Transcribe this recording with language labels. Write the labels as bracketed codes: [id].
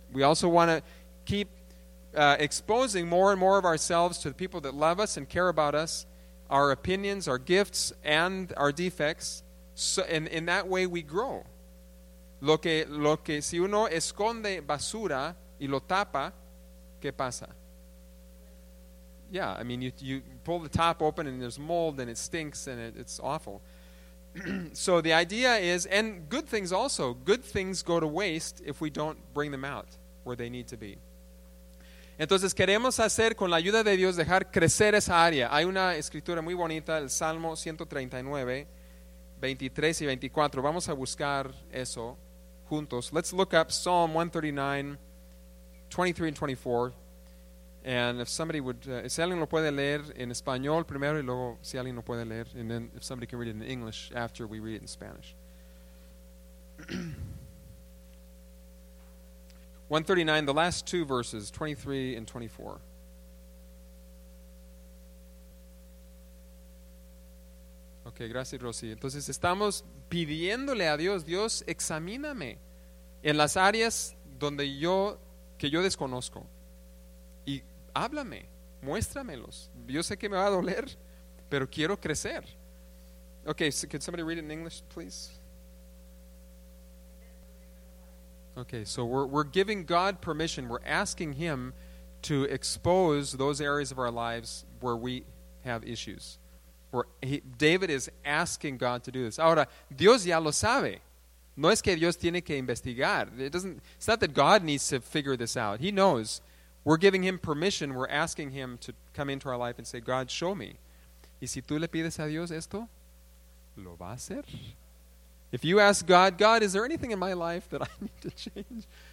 [en] We also want to keep exposing more and more of ourselves to the people that love us and care about us, our opinions, our gifts, and our defects. So in that way we grow. [es] Lo que si uno esconde basura y lo tapa, ¿qué pasa? [en] Yeah, I mean, you pull the top open and there's mold and it stinks and it's awful. So the idea is, and good things also, good things go to waste if we don't bring them out where they need to be. [es] Entonces queremos hacer, con la ayuda de Dios, dejar crecer esa área. Hay una escritura muy bonita, el Salmo 139, 23 y 24. Vamos a buscar eso juntos. [en] Let's look up Psalm 139, 23 and 24. And if somebody would, [es] si alguien lo puede leer en español primero, [en] and then if somebody can read it in English after we read it in Spanish. 139, the last two verses, 23 and 24. [es] Okay, gracias, Rosy. Entonces, estamos pidiéndole a Dios, Dios, examíname en las áreas donde yo desconozco. Y háblame, muéstramelos. Yo sé que me va a doler, pero quiero crecer. [en] Okay, so could somebody read it in English, please? Okay, so we're giving God permission. We're asking Him to expose those areas of our lives where we have issues. David is asking God to do this. [es] Ahora, Dios ya lo sabe. No es que Dios tiene que investigar. [en] It's not that God needs to figure this out. He knows. We're giving Him permission. We're asking Him to come into our life and say, God, show me. [es] Y si tú le pides a Dios esto, lo va a hacer. [en] If you ask God, is there anything in my life that I need to change?